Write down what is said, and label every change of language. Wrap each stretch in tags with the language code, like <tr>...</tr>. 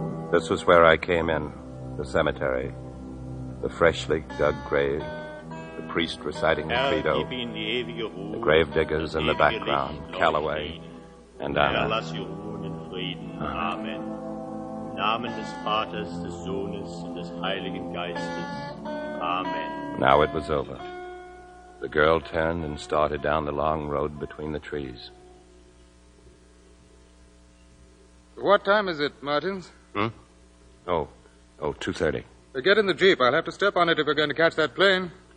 <en>This was where I came in, the cemetery, the freshly dug grave, the priest reciting the credo, the grave diggers in the background, Calloway, and Anna.</en> <de>Lass ihr ruhen in Frieden. Amen. Im Namen des Vaters, des Sohnes, und des Heiligen Geistes. Amen.</de> <en>Now it was over. The girl turned and started down the long road between the trees. What time is it, Martins? Hmm? Oh, 2:30. Get in the jeep. I'll have to step on it if we're going to catch that plane.</en>